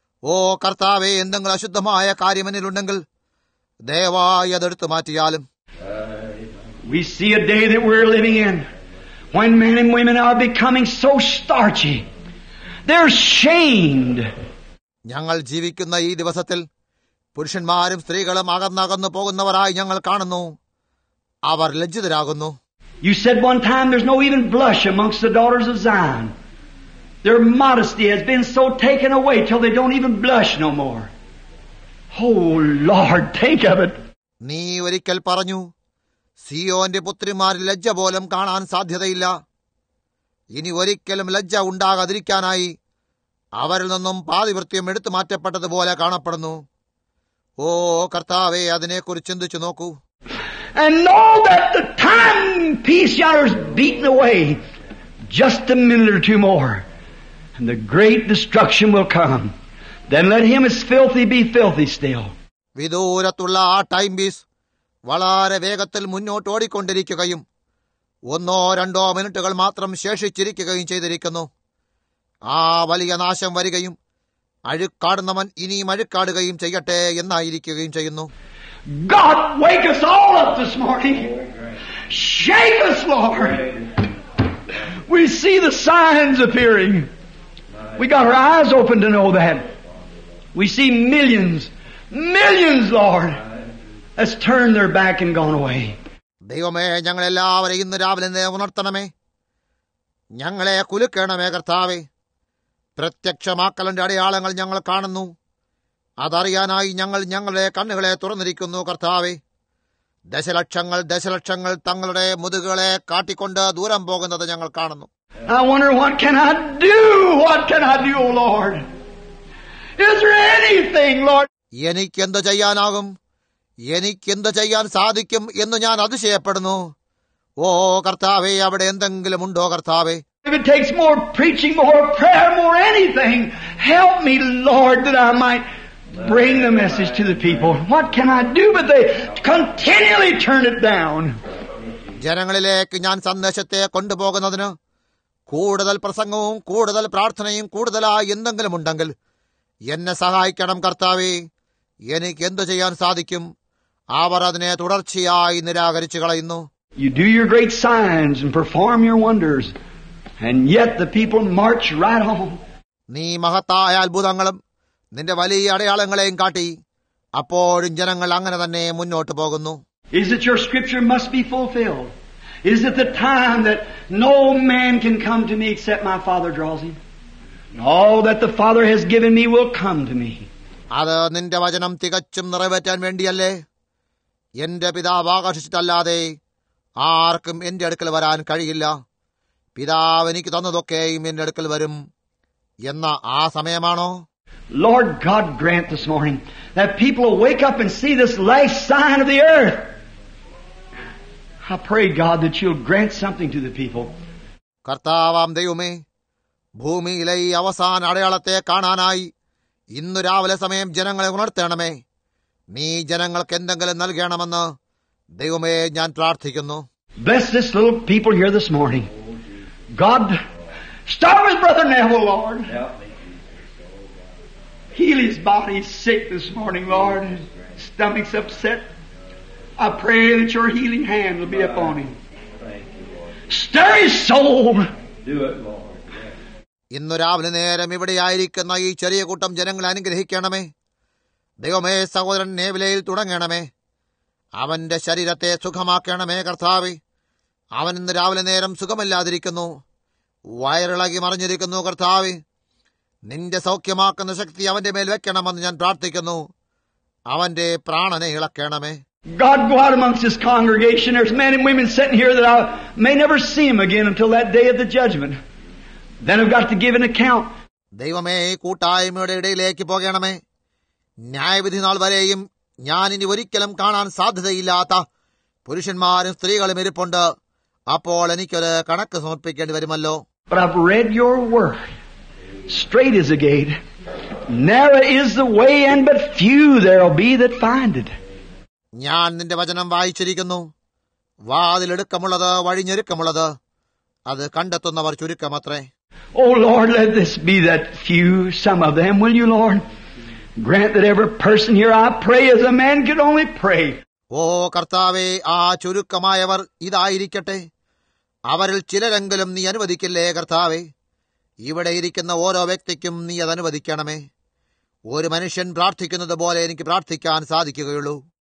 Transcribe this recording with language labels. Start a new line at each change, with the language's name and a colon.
Malayalam: ഓ കർത്താവെ, എന്തെങ്കിലും അശുദ്ധമായ കാര്യം എന്നിലുണ്ടെങ്കിൽ ദയവായി അതെടുത്തു മാറ്റിയാലും.
English: We see a day that we're living in when men and women are becoming so starchy. They're shamed.
Malayalam: ഞങ്ങൾ ജീവിക്കുന്ന ഈ ദിവസത്തിൽ പുരുഷന്മാരും സ്ത്രീകളും അകന്നകന്നു പോകുന്നവരായി ഞങ്ങൾ കാണുന്നു. അവർ ലജ്ജിതരാകുന്നു.
English: You said one time there's no even blush amongst the daughters of Zion. Their modesty has been so taken away till they don't even blush no more. Oh Lord, think of it.
Malayalam: നീ ഒരിക്കൽ പറഞ്ഞു, സിയോന്റെ പുത്രിമാരിൽ ലജ്ജ പോലും കാണാൻ സാധ്യതയില്ല. ഇനി ഒരിക്കലും ലജ്ജ ഉണ്ടാകാതിരിക്കാനായി അവരിൽ നിന്നും പാതിവൃത്യം എടുത്തു മാറ്റപ്പെട്ടതുപോലെ കാണപ്പെടുന്നു. ഓ കർത്താവേ, അതിനെക്കുറിച്ച് ചിന്തിച്ചു നോക്കൂ.
English: and know that the time peace yonder is beaten away, just a minute or two more, and the great destruction will come. Then let him as filthy be filthy still.
Malayalam: വിദൂരത്തുള്ള ആ ടൈം പീസ് വളരെ വേഗത്തിൽ മുന്നോട്ട് ഓടിക്കൊണ്ടിരിക്കുകയും ഒന്നോ രണ്ടോ മിനിറ്റുകൾ മാത്രം ശേഷിച്ചിരിക്കുകയും ചെയ്തിരിക്കുന്നു. ആ വലിയ നാശം വരികയും അഴുക്കാടുന്നവൻ ഇനിയും അഴുക്കാടുകയും ചെയ്യട്ടെ എന്നായിരിക്കുകയും ചെയ്യുന്നു.
English: God, wake us all up this morning. Shake us, Lord. We see the signs appearing. We got our eyes open to know that. We see millions, Lord, has turned their back and gone away.
Malayalam: ദൈവമേ, ഞങ്ങളെല്ലാവരെയും ഇന്ന് രാവിലെ ഉണർത്തണമേ. ഞങ്ങളെ കുലുക്കണമേ കർത്താവേ. പ്രത്യക്ഷമാക്കലിന്റെ അടയാളങ്ങൾ ഞങ്ങൾ കാണുന്നു. അതറിയാനായി ഞങ്ങൾ ഞങ്ങളുടെ കണ്ണുകളെ തുറന്നിരിക്കുന്നു കർത്താവേ. ദശലക്ഷങ്ങൾ തങ്ങളുടെ മുതുകളെ കാട്ടിക്കൊണ്ട് ദൂരം പോകുന്നത് ഞങ്ങൾ കാണുന്നു.
English: I wonder, what can I do, oh Lord? Is there anything, Lord?
Malayalam: എനിക്കെന്ത് ചെയ്യാനാകും? എനിക്കെന്ത് ചെയ്യാൻ സാധിക്കും എന്ന് ഞാൻ അതിശയപ്പെടുന്നു. ഓ കർത്താവേ, അവിടെ എന്തെങ്കിലും ഉണ്ടോ കർത്താവേ?
English: If it takes more preaching, more prayer, more anything, help me, Lord, that I might bring the message to the people. What can I do? But they continually turn it down.
Malayalam: ജനങ്ങളിലേക്ക് ഞാൻ സന്ദേശത്തെ കൊണ്ടുപോകുന്നതിന് കൂടുതൽ പ്രസംഗവും കൂടുതൽ പ്രാർത്ഥനയും കൂടുതലായി എന്തെങ്കിലും ഉണ്ടെങ്കിൽ എന്നെ സഹായിക്കണം കർത്താവേ. എനിക്ക് എന്തു ചെയ്യാൻ സാധിക്കും? അവർ അതിനെ തുടർച്ചയായി നിരാകരിച്ചു കളയുന്നു.
English: You do your great signs and perform your wonders, and yet the people march right on.
Malayalam: നീ മഹത്തായ അത്ഭുതങ്ങളും നിന്റെ വലിയ അടയാളങ്ങളെയും കാട്ടി, അപ്പോഴും ജനങ്ങൾ അങ്ങനെ തന്നെ മുന്നോട്ട് പോകുന്നു.
English: Is it your scripture must be fulfilled? Is it the time that no man can come to me except my Father draws him? All that the Father has given me will come to me.
Malayalam: അത് നിന്റെ വചനം തികച്ചും നിറവേറ്റാൻ വേണ്ടിയല്ലേ? എന്റെ പിതാവ് ആകർഷിച്ചിട്ടല്ലാതെ ആർക്കും എന്റെ അടുക്കൽ വരാൻ കഴിയില്ല. പിതാവ് എനിക്ക് തന്നതൊക്കെയും എന്റെ അടുക്കൽ വരും എന്ന ആ സമയമാണോ?
English: Lord God, grant this morning that people will wake up and see this last sign of the earth. I pray, God, that you'll grant something to the people.
Malayalam: കർത്താവാം ദൈവമേ, ഭൂമിയിലെ ഈ അവസാന അടയാളത്തെ കാണാനായി ഇന്ന് രാവിലെ സമയം ജനങ്ങളെ ഉണർത്തണമേ. നീ ജനങ്ങൾക്ക് എന്തെങ്കിലും നൽകണമെന്ന് ദൈവമേ ഞാൻ പ്രാർത്ഥിക്കുന്നു.
English: Bless this little people here this morning. God, start with Brother Neville, Lord. Heal his body, he's sick this morning, Lord. His stomach's upset. I pray that your healing hand will be upon him. Stir his soul. Do it, Lord.
Malayalam: ഇന്ന് രാവിലെ നേരം ഇവിടെയായിരിക്കുന്ന ഈ ചെറിയ കൂട്ടം ജനങ്ങളെ അനുഗ്രഹിക്കണമേ. ദൈവമേ, സഹോദരൻ നേവിലയിൽ തുടങ്ങണമേ. അവന്റെ ശരീരത്തെ സുഖമാക്കണമേ കർത്താവേ. അവൻ ഇന്ന് രാവിലെ നേരം സുഖമില്ലാതിരിക്കുന്നു, വയറിളകി മറിഞ്ഞിരിക്കുന്നു കർത്താവേ. നിന്റെ സൗഖ്യമാക്കുന്ന ശക്തി അവന്റെ മേൽ വെക്കണമെന്ന് ഞാൻ പ്രാർത്ഥിക്കുന്നു. അവന്റെ പ്രാണനെ ഇളക്കണമേ.
English: God, go out amongst this congregation. There's men and women sitting here that I may never see them again until that day of the judgment. Then I've got to give an account.
Malayalam: ദൈവമേ, കൂട്ടായ്മയുടെ ഇടയിലേക്ക് പോകണമേ. ന്യായവിധി നാൾ വരെയും ഞാൻ ഇനി ഒരിക്കലും കാണാൻ സാധ്യതയില്ലാത്ത പുരുഷന്മാരും സ്ത്രീകളും ഇരിപ്പുണ്ട്. അപ്പോൾ എനിക്കൊരു കണക്ക് സമർപ്പിക്കേണ്ടി വരുമല്ലോ.
English: But I've read your word. Straight is the gate. Narrow is the way, and but few there'll be that find it.
Malayalam: ഞാൻ നിന്റെ വചനം വായിച്ചിരിക്കുന്നു. വാതിലെടുക്കമുള്ളത് വഴിഞ്ഞൊരുക്കമുള്ളത്, അത് കണ്ടെത്തുന്നവർ ചുരുക്കമത്രേ.
English: Oh Lord, let this be that few, some of them, will you, Lord? Grant that every person here, I pray as a man could only pray.
Malayalam: ഓ കർത്താവേ, ആ ചുരുക്കമായവർ ഇതായിരിക്കട്ടെ. അവരിൽ ചിലരെങ്കിലും നീ അനുവദിക്കില്ലേ കർത്താവേ? ഇവിടെ ഇരിക്കുന്ന ഓരോ വ്യക്തിക്കും നീ അതനുവദിക്കണമേ. ഒരു മനുഷ്യൻ പ്രാർത്ഥിക്കുന്നത് പോലെ എനിക്ക് പ്രാർത്ഥിക്കാൻ സാധിക്കുകയുള്ളൂ.